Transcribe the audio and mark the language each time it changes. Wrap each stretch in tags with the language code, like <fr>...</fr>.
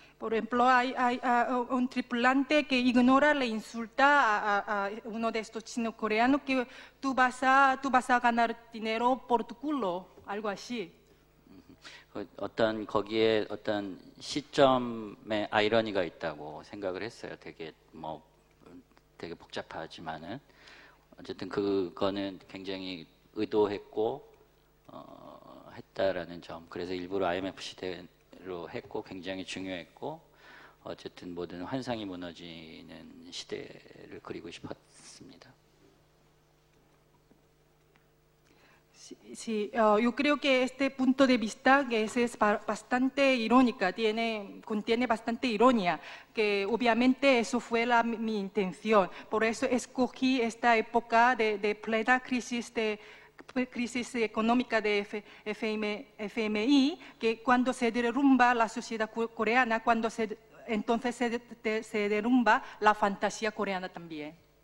<es>Por ejemplo, hay un tripulante que ignora, le insulta a uno de estos chinos coreanos que tú vas a ganar dinero por tu culo, algo así.</es> <ko>어떤 거기에 어떤 시점에 아이러니가 있다고 생각을 했어요. 되게 뭐 되게 복잡하지만은 어쨌든 그거는 굉장히 의도했고 했다라는 점. 그래서 일부러 IMF 시대로 했고 굉장히 중요했고 어쨌든 모든 환상이 무너지는 시대를 그리고 싶었습니다.</ko> <es>Sí, yo creo que este punto de vista que es bastante irónica, contiene bastante ironía, que obviamente eso fue mi intención. Por eso escogí esta época de plena crisis económica de FMI, que cuando se derrumba la sociedad coreana, entonces se derrumba la fantasía coreana también.</es>